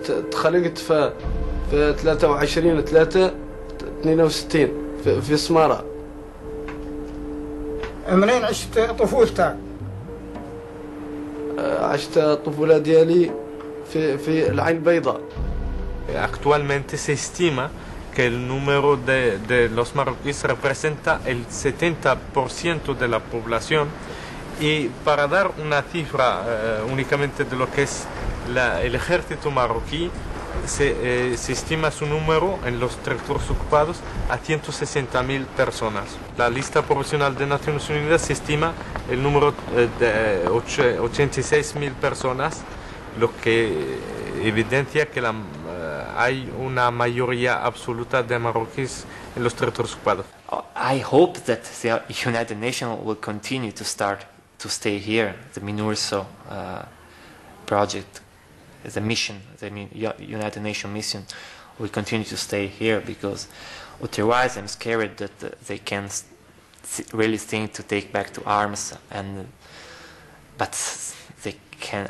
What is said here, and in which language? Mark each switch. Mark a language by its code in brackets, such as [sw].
[ar] تخلقت في 23/3/62 في سمارة. منين عشت طفولتك؟ عشت الطفولة ديالي في العين البيضاء. [es] Actualmente se estima que el número de los marroquíes representa el 70% de la población. Y para dar una cifra únicamente de lo que es el ejército marroquí, se estima su número en los territorios ocupados a 160.000 personas. La lista provisional de Naciones Unidas se estima el número de 86.000 personas, lo que evidencia que hay una mayoría absoluta de marroquíes en los territorios ocupados. [en] I hope that the United Nations will continue to start to stay here, the MINURSO project, the mission, the United Nations mission, will continue to stay here, because otherwise I'm scared that they can really think to take back to arms, but they can.